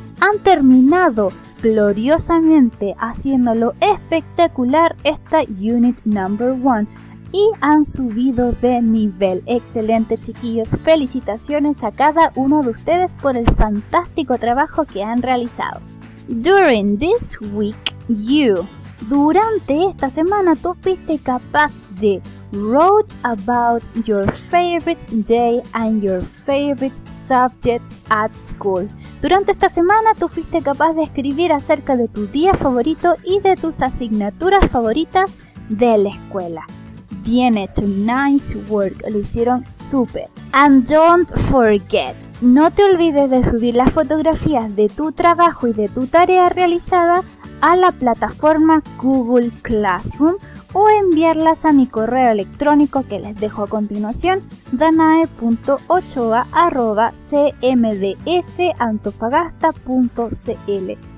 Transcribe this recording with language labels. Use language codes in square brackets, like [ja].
[es] Han terminado gloriosamente, haciéndolo espectacular esta [en] unit number one, [es] y han subido de nivel. Excelente, chiquillos, felicitaciones a cada uno de ustedes por el fantástico trabajo que han realizado. [en] During this week, you, [es] durante esta semana, tú fuiste capaz de [en] wrote about your favorite day and your favorite subjects at school. [es] Durante esta semana tú fuiste capaz de escribir acerca de tu día favorito y de tus asignaturas favoritas de la escuela. Bien hecho, [en] nice work, [es] lo hicieron súper. [en] And don't forget, [es] no te olvides de subir las fotografías de tu trabajo y de tu tarea realizada a la plataforma Google Classroom o enviarlas a mi correo electrónico que les dejo a continuación, danae.ochoa@cmds.antofagasta.cl.